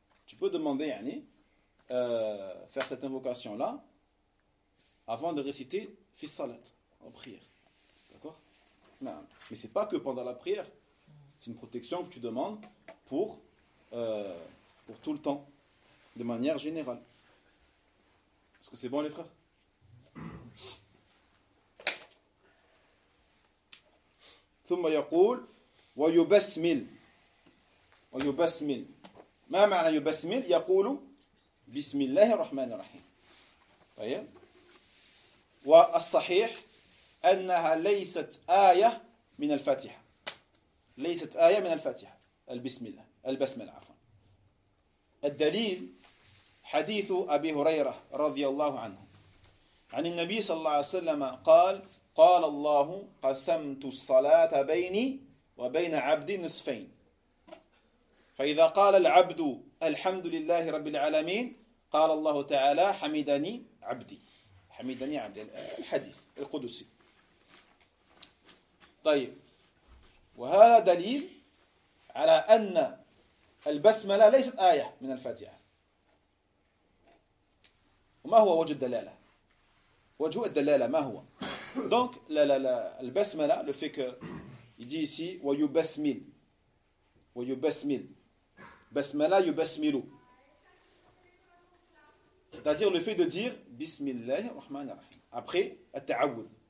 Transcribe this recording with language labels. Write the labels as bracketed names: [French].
[French] Tu peux demander, yani, faire cette invocation-là avant de réciter [Arabic] fi salat, [French] en prière. D'accord ? Non. Mais c'est pas que pendant la prière. C'est une protection que tu demandes pour tout le temps, de manière générale. Est-ce que c'est bon, les frères ? [Arabic] ثم يقول ويبسمل ويبسمل ما معنى يبسمل يقول بسم الله الرحمن الرحيم طيب والصحيح أنها ليست آية من الفاتحة ليست آية من الفاتحة البسم الله البسملة عفوا الدليل حديث أبي هريرة رضي الله عنه عن النبي صلى الله عليه وسلم قال قال الله قسمت الصلاة بيني وبين عبد نصفين فإذا قال العبد الحمد لله رب العالمين قال الله تعالى حمدني عبدي حمدني عبدي الحديث القدسي طيب وهذا دليل على أن البسملة ليست آية من الفاتحة وما هو وجه الدلالة وجه الدلالة ما هو [French] Donc, le basmala, le fait que, il dit ici, [Arabic] wa yubasmil. Wa yubasmil. Basmala yubasmilu. [French] C'est-à-dire le fait de dire [Arabic] Bismillah ar-Rahman ar-Rahim. [French] Après, at-ta'awud.